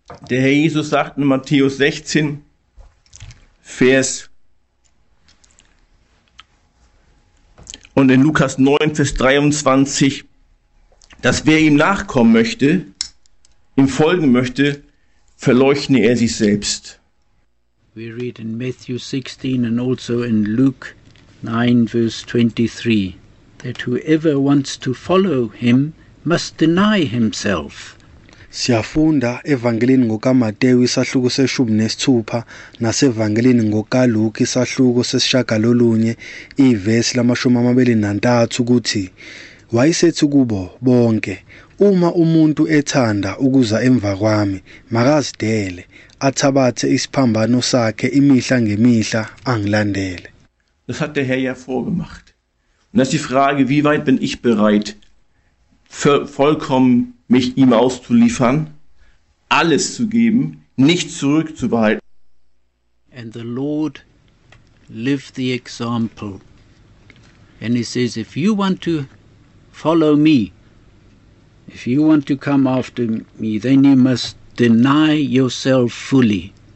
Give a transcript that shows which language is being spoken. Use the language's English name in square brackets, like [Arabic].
[German] Der Herr Jesus sagt in Matthäus 16, Vers und in Lukas 9, Vers 23, dass wer ihm nachkommen möchte, ihm folgen möchte, verleugne er sich selbst. [English] We read in Matthew 16 and also in Luke 9, verse 23, that whoever wants to follow him must deny himself. [Zulu] Siyafunda evangelini ngokaMateyu isahluko seshumi nesithupha nasevangelini ngokaLuke isahluko sesishagalolunye ivesi lamashumi amabili nantathu ukuthi wayesethi kubo bonke, uma umuntu ethanda ukuza emva kwami, makazidele athabathe isiphambano sakhe imihla ngemihla angilandele. [German] Das hat der Herr ja vorgemacht. Und das ist die Frage, wie weit bin ich bereit, vollkommen mich ihm auszuliefern, alles zu geben, nicht zurückzubehalten. [English] And the Lord lived the example. And he says, if you want to follow me, if you want to come after me, then you must deny yourself fully.